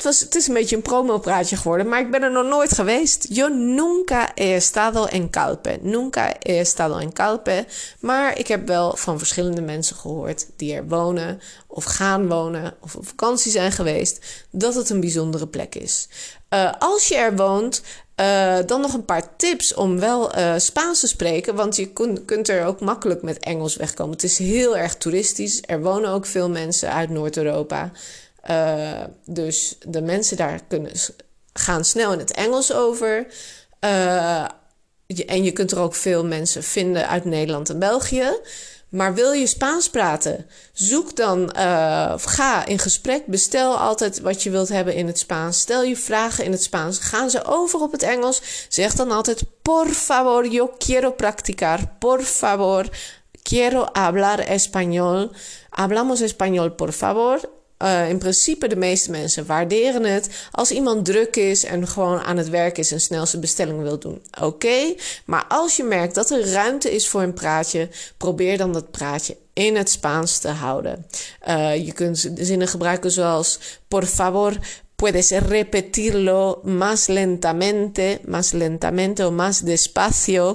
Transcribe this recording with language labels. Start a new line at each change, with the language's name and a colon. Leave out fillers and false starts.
Dutch: Het is een beetje een promopraatje geworden, maar ik ben er nog nooit geweest.
Spanish: Yo nunca he estado en Calpe. Nunca he estado en Calpe.
Dutch: Maar ik heb wel van verschillende mensen gehoord die er wonen of gaan wonen of op vakantie zijn geweest, dat het een bijzondere plek is. Als je er woont, dan nog een paar tips om wel Spaans te spreken, want je kunt er ook makkelijk met Engels wegkomen. Het is heel erg toeristisch. Er wonen ook veel mensen uit Noord-Europa. Dus de mensen daar gaan snel in het Engels over. En je kunt er ook veel mensen vinden uit Nederland en België. Maar wil je Spaans praten? Zoek dan, ga in gesprek. Bestel altijd wat je wilt hebben in het Spaans. Stel je vragen in het Spaans. Gaan ze over op het Engels? Zeg dan altijd:
Spanish: Por favor, yo quiero practicar. Por favor, quiero hablar español. Hablamos español, por favor.
Dutch: In principe, de meeste mensen waarderen het als iemand druk is en gewoon aan het werk is en snel zijn bestelling wil doen. Oké, maar als je merkt dat er ruimte is voor een praatje, probeer dan dat praatje in het Spaans te houden. Je kunt zinnen gebruiken zoals:
Spanish: Por favor, puedes repetirlo más lentamente o más despacio.